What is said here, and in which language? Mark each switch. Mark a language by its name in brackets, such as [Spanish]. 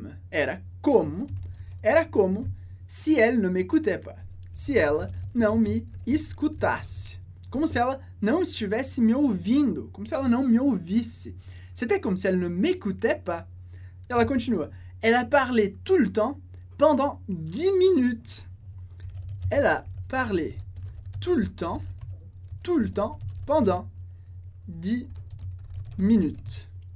[Portuguese] Era como si [French] elle ne m'écoutait pas. [Portuguese] Se ela não me escutasse. Como se ela não estivesse me ouvindo. Como se ela não me ouvisse. [French] C'était comme si elle ne m'écoutait pas. [Portuguese] Ela continua. [French] Elle a parlé tout le temps pendant 10 minutes. Elle a parlé tout le temps pendant 10 minutes.